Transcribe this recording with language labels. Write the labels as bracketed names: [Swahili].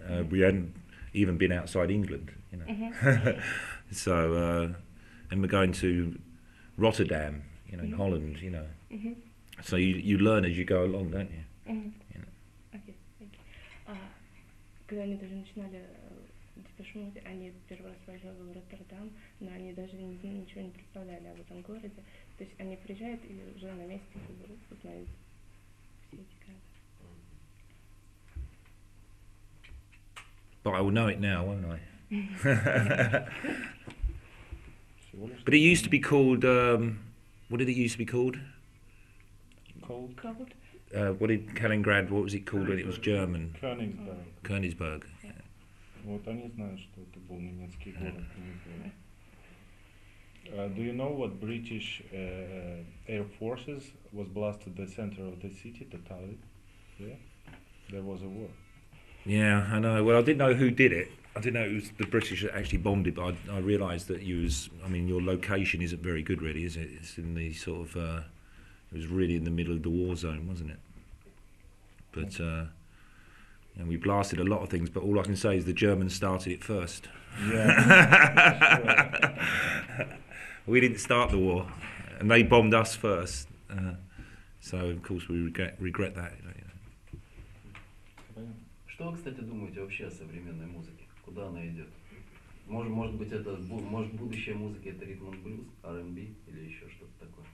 [English] We hadn't even been outside England, you know. Mm-hmm. So, and we're going to Rotterdam, you know, mm-hmm. in Holland, you know. Mm-hmm. So you learn as you go along, don't you? Mm-hmm. You know. [Russian] Когда они даже начинали Depeche Mode, они первый раз приезжали в Роттердам, но они даже ничего не представляли об этом городе. То есть они приезжают и уже на месте узнают все эти города. [English] But I will know it now, won't I? But it used to be called, what did it used to be called? Cold. What did Kaliningrad, what was it called when it was German? Königsberg. Königsberg. Yeah. Do you know what British air forces was blasted the center of the city, the Tali? Yeah? There was a war. Yeah, I know. Well, I didn't know who did it. I didn't know it was the British that actually bombed it, but I realised that your location isn't very good, really, is it? It's in the sort of, it was really in the middle of the war zone, wasn't it? But, and we blasted a lot of things, but all I can say is the Germans started it first. Yeah. We didn't start the war, and they bombed us first. So, of course, we regret that. [Russian] Что, кстати, думаете вообще о современной музыке? Куда она идет? Может быть, будущее музыки это ритм и блюз, R&B или еще что-то такое?